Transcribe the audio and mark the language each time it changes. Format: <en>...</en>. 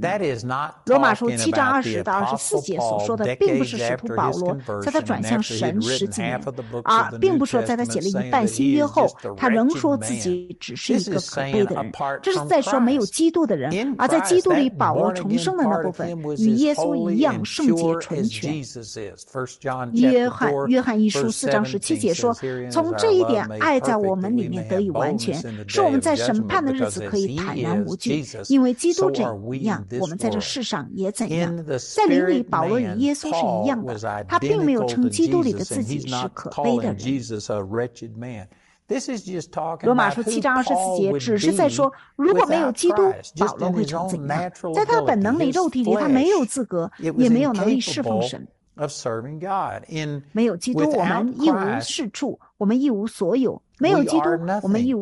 <en>That is not talking about the Apostle Paul decades after his conversion and after he had written half of the books of the New Testament saying that he is just a wretched man. This is saying apart from Christ. In Christ, that born again part of him was as holy and pure as Jesus is. 1 John chapter 4, verse 17.</en> <zh>17节说, 从这一点, 爱在我们里面, 得以完全, 是我们在审判的日子可以坦然无惧, 因为基督这样, 我们在这世上也怎样, 在灵里保罗与耶稣是一样的, 他并没有称基督里的自己是可悲的人。</zh> <en>This is just talking about who Paul would be without Christ, just in his own natural ability, his flesh, it was incapable of serving God. In,</en> <zh>没有基督,</zh> <en>without Christ,</en> <zh>我们一无所有, 没有基督,</zh> <en>we are nothing.</en>